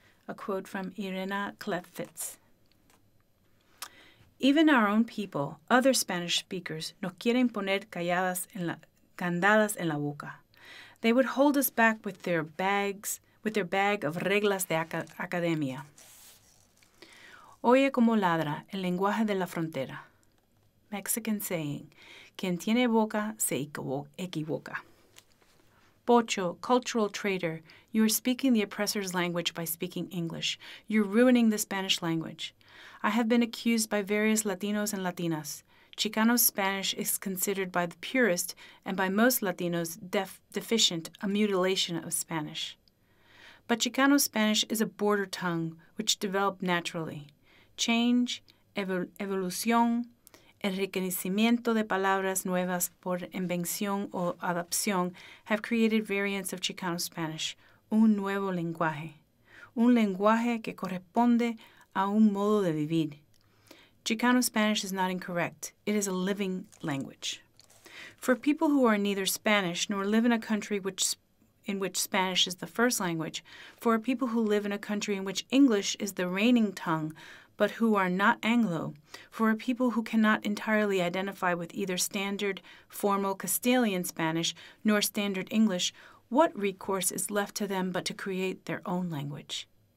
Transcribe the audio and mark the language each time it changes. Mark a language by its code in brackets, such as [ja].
[en] A quote from Irina Klefitz. Even our own people, other Spanish speakers, [es] no quieren poner candadas en la boca. [en] They would hold us back with their bag of [es] reglas de academia. Oye como ladra el lenguaje de la frontera. [en] Mexican saying, [es] quien tiene boca se equivoca. [en] Pocho, cultural traitor. You are speaking the oppressor's language by speaking English. You're ruining the Spanish language. I have been accused by various Latinos and Latinas. Chicano Spanish is considered by the purist and by most Latinos deficient, a mutilation of Spanish. But Chicano Spanish is a border tongue which developed naturally. [es] Change, evolución, enriquecimiento de palabras nuevas por invención o adaptación [en] have created variants of Chicano Spanish, [es] un nuevo lenguaje, un lenguaje que corresponde a un modo de vivir. [en] Chicano Spanish is not incorrect. It is a living language. For people who are neither Spanish nor live in a country in which Spanish is the first language, for people who live in a country in which English is the reigning tongue, but who are not Anglo, for people who cannot entirely identify with either standard formal Castilian Spanish nor standard English, what recourse is left to them but to create their own language?